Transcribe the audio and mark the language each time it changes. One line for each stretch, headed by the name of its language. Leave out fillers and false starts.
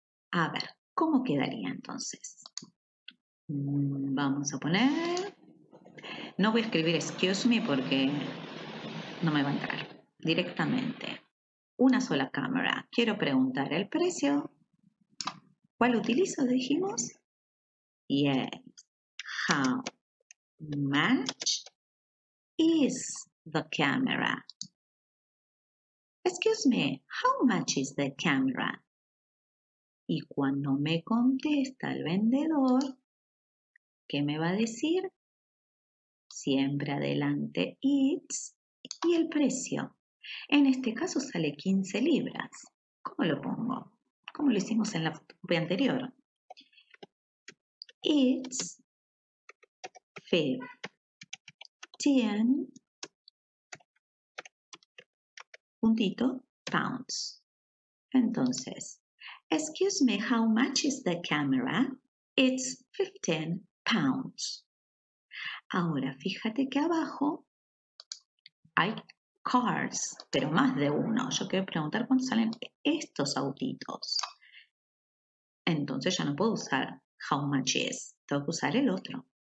Spanish: A ver, ¿cómo quedaría entonces? Vamos a poner, no voy a escribir
English: excuse me
Spanish: porque no me va a entrar directamente. Una sola cámara, quiero preguntar el precio. ¿Cuál utilizo, dijimos?
English: Yes, how much is the camera? Excuse me, how much is the camera?
Spanish: Y cuando me contesta el vendedor, ¿qué me va a decir? Siempre adelante it's y el precio. En este caso sale 15 libras. ¿Cómo lo pongo? Como lo hicimos en la fotografía anterior.
English: It's 15 puntito pounds. Entonces, excuse me, how much is the camera? It's 15 pounds.
Spanish: Ahora, fíjate que abajo hay cars, pero más de uno. Yo quiero preguntar cuánto salen estos autitos. Entonces, ya no puedo usar
English: how much is.
Spanish: Tengo que usar el otro.